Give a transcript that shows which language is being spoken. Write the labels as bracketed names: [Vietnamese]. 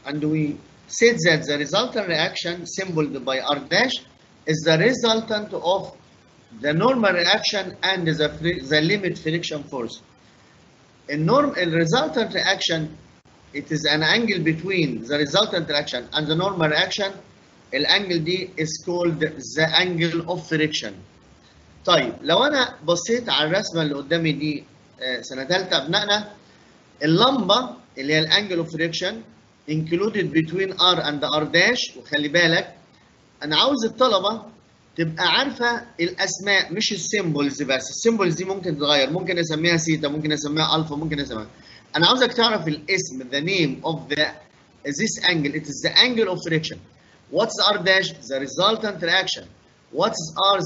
[English] And we said that the resultant reaction, symbolized by R dash, is the resultant of the normal reaction and the limit friction force. The resultant reaction, it is an angle between the resultant reaction and the normal reaction. [Arabic] الانجل دي [English] is called the angle of friction. [Arabic] طيب لو انا بصيت على الرسمه اللي قدامي دي سنه ثالثه ابنائنا، اللمبه اللي هي الانجل اوف فريكشن [English] included between R and R dash. [Arabic] وخلي بالك أنا عاوز الطلبة تبقى عارفة الأسماء مش السيمبلز بس. السيمبلز دي ممكن تتغير، ممكن أسميها سيتا، ممكن أسميها ألفا، ممكن أسميها. أنا عاوزك تعرف الاسم، [English] the name of this angle. It is the angle of friction. What's R dash? The resultant reaction. What's R?